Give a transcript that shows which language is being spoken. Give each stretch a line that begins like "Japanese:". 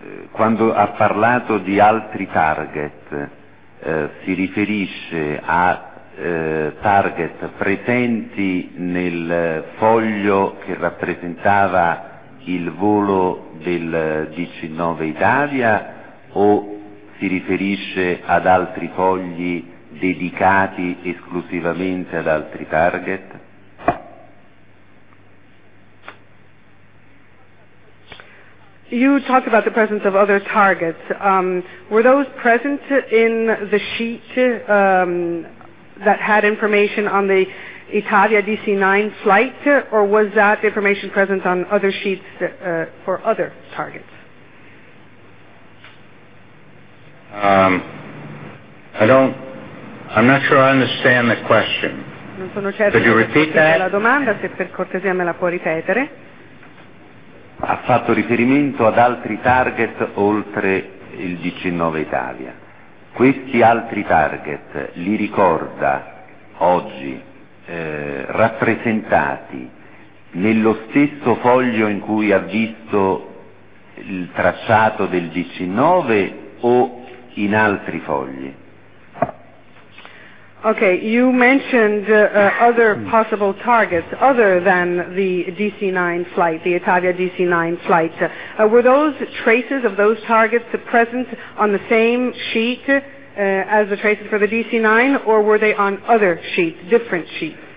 Italian: Quando ha parlato di altri target, si riferisce a target presenti nel foglio che rappresentava il volo del DC-9 Italia, o si riferisce ad altri fogli dedicati esclusivamente ad altri target?
English: You talked about the presence of other targets. Were those present in the sheet that had information on the Italia DC-9 flight, or was that information present on other sheets for other targets? I'm not sure I understand the question.
Italian: Non sono certo.
English: Could you repeat that?
Italian: La domanda, se per cortesia me la può ripetere. Ha fatto riferimento ad altri target oltre il DC-9 Italia. Questi altri target li ricorda oggi rappresentati nello stesso foglio in cui ha visto il tracciato del DC-9 o in altri fogli?
English: Okay, you mentioned other possible targets other than the DC-9 flight, the Italia DC-9 flight. Were those traces of those targets present on the same sheet as the traces for the DC-9, or were they on other sheets, different sheets?